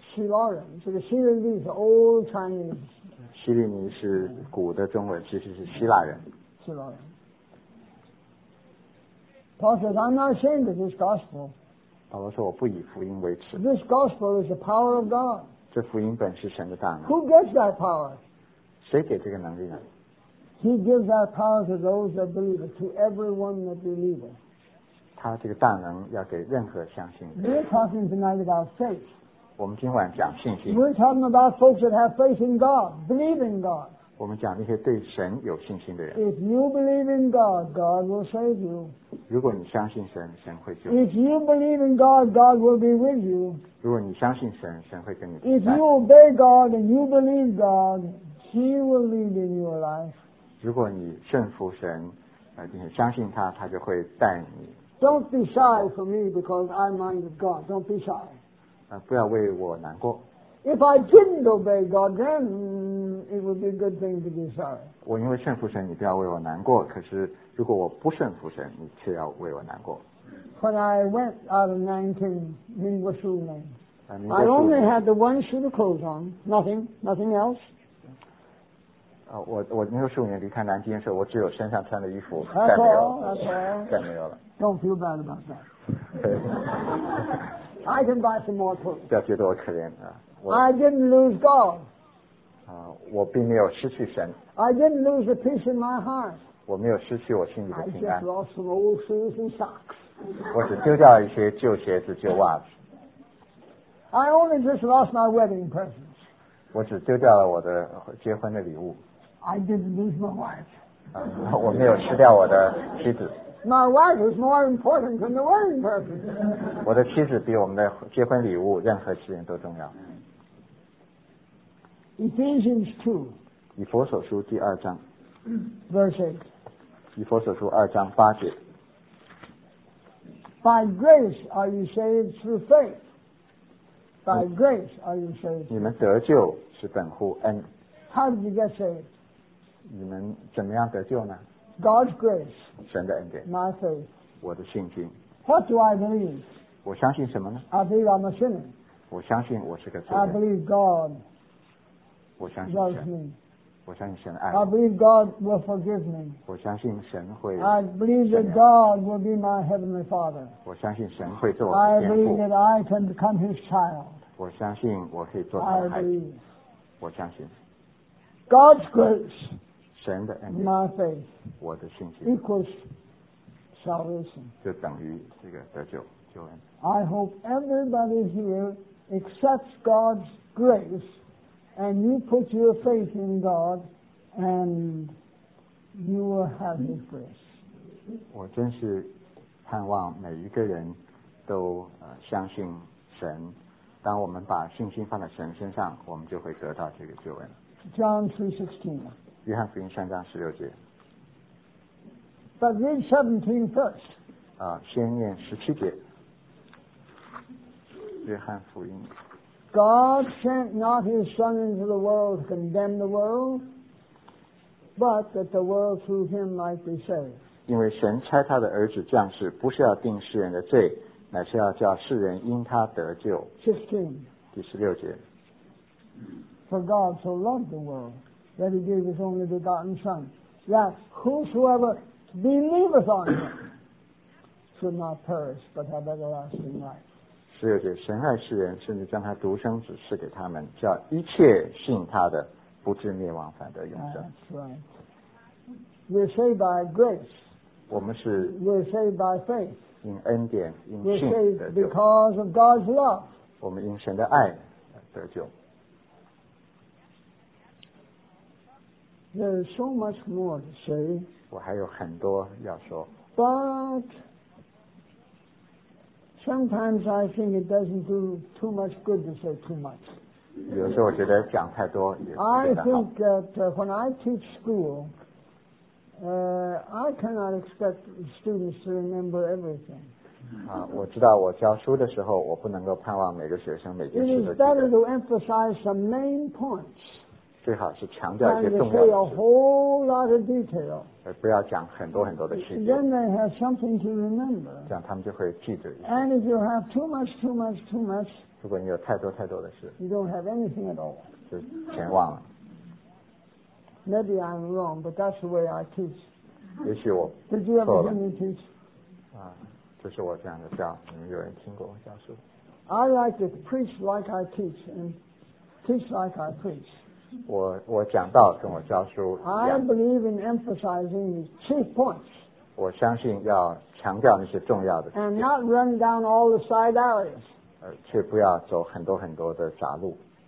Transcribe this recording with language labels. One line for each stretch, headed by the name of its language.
Chinese: 希腊人，这个希利尼是
English: old Chinese.
Chinese: 希利尼是古的中文，其实是希腊人。希腊人。
English: Paul says, I'm not ashamed of this gospel.
Chinese: 保罗说我不以福音为耻。
English: This gospel is the power of God.
Chinese: 这福音本是神的大能。
English: Who gets that power?
Chinese: 谁给这个能力呢？
English: He gives that power to those that believe, to everyone that believes.
Chinese: 他这个大能要给任何相信的。
English: We're talking tonight about faith.
Chinese: 我们今晚讲信心。
English: We're talking about folks that have faith in God, believe in God.
Chinese: 我们讲那些对神有信心的人。
English: If you believe in God, God will save you.
Chinese: 如果你相信神，神会救你。
English: If you believe in God, God will be with you.
Chinese: 如果你相信神，神会跟你同在。
English: If you obey God and you believe God, He will lead in your life.
Chinese: 如果你顺服神，相信他，他就会带你。
English: Don't be shy for me because I'm mind of God. Don't be shy.
Chinese: 不要为我难过。
English: If I didn't obey God, then it would be a good thing to be shy.
Chinese: 我因为顺服神，你不要为我难过。可是如果我不顺服神，你却要为我难过。
English: When I went out of 19, Mingguo Shu Lane, I only had the one suit of clothes on, nothing else.
Chinese: 我那个时候年离开南京的时候，我只有身上穿的衣服，再没有了。再没有了。
English: Don't feel bad about that. I can buy some more clothes.
Chinese: 不要觉得我可怜啊。
English: I didn't lose God.
Chinese: 我并没有失去神。
English: I didn't lose the peace in my heart.
Chinese: 我没有失去我心里的平安。
English: I just lost some old shoes and socks.
Chinese: 我只丢掉一些旧鞋子、旧袜子。
English: I only just lost my wedding presents.
Chinese: 我只丢掉了我的结婚的礼物。
English: I didn't lose my wife.
Chinese: 我没有失掉我的妻子。
English: My wife is more important than the wedding presents.
Chinese: 我的妻子比我们的结婚礼物任何事情都重要。
English: Ephesians 2.
Chinese: 以弗所书第二章。
English: Verse 8.
Chinese: 以弗所书二章八节。
English: By grace are you saved through faith. By grace are you saved through faith.
Chinese: 你们得救是本乎恩。
English: How did you get saved?
Chinese: 你们怎么样得救呢
English: ？God's grace，
Chinese: 神的恩典。
English: My faith，
Chinese: 我的信心。
English: What do I believe？
Chinese: 我相信什么呢
English: ？I believe I'm a sinner。
Chinese: 我相信我是个罪人。
English: I believe God。
Chinese: 我相信神。
English: Me.
Chinese: 我相信神的爱。
English: I believe God will forgive me。
Chinese: 我相信神会。
English: I believe that God will be my heavenly Father。
Chinese: 我相信神会做我的天父。
English: I believe that I can become His child。
Chinese: 我相信我可以做他的孩子。我相信。
English: God's grace。
Chinese: 神的恩典
English: My faith
Chinese: 我的信心
English: equals salvation
Chinese: 就等于这个得救救恩
English: I hope everybody here accepts God's grace and you put your faith in God and you will have His grace
Chinese: 我真是盼望每一个人都相信神当我们把信心放在神身上我们就会得到这个救恩
English: John 3:16
Chinese: 约翰福音三章十六节。
English: But read 17 first.
Chinese: 先念十七节。约翰福音。
English: God sent not His Son into the world to condemn the world, but that the world through Him might be saved.
Chinese: 因为神差他的儿子降世，不是要定世人的罪，乃是要叫世人因他得救。
English: 16.
Chinese: 第十六节。
English: For God so loved the world. That He gave His only begotten Son, that whosoever believeth on Him should not perish, but have everlasting life.
Chinese: 十六节，神爱世人，甚至将他独生子赐给他们，叫一切信他的不至灭亡，反得永生。
English: That's right. We're saved by grace.
Chinese: 我们是。
English: We're saved by faith.
Chinese: 因恩典，因信。
English: We're saved because of God's love.
Chinese: 我们因神的爱得救。
English: There's so much more to say.
Chinese: 我还有很多要说。
English: But sometimes I think it doesn't do too much good to say too much.
Chinese: 有时候我觉得讲太多也不太好。
English: I think that when I teach school, I cannot expect students to remember everything.
Chinese: 我知道我教书的时候，我不能够盼望每个学生每件事都记得。
English: It is better to emphasize some main points.
Chinese: 最好是强调一些重要的事。
English: And they say a whole lot of detail.
Chinese: 不要讲很多很多的细节。
English: Then they have something to remember.
Chinese: 这样他们就会记得。
English: And if you have too much,
Chinese: 如果你有太多太多的事
English: ，you don't have anything at all.
Chinese: 就全忘了。
English: Maybe I'm wrong, but that's the way I teach.
Chinese: 也许我错了。
English: Did you ever hear me teach?
Chinese: 就是我这样的教，你们有人听过我教书
English: ？I like to preach like I teach and teach like I preach.
Chinese: 我讲道跟我教书一样。
English: I believe in emphasizing the chief points.
Chinese: 我相信要强调那些重要的。
English: And not run down all the side alleys.
Chinese: 却不要走很多很多的杂路。